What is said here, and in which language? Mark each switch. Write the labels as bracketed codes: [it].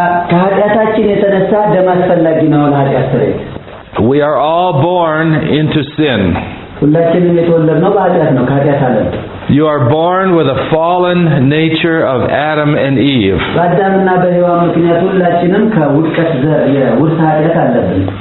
[am] ከኃጢአታችን የተነሳ ደም አስፈላጊ ነው ለኃጢአት ስርየት [en] We are all born into sin. [am] ሁላችንም የተወለድነው በኃጢአት ነው ከኃጢአት ዓለም [en] You are born with a fallen nature of Adam and Eve. [am] አዳምና በሔዋን ምክንያት ሁላችንም ከውድቀት ዘር የውርስ ኃጢአት አለብን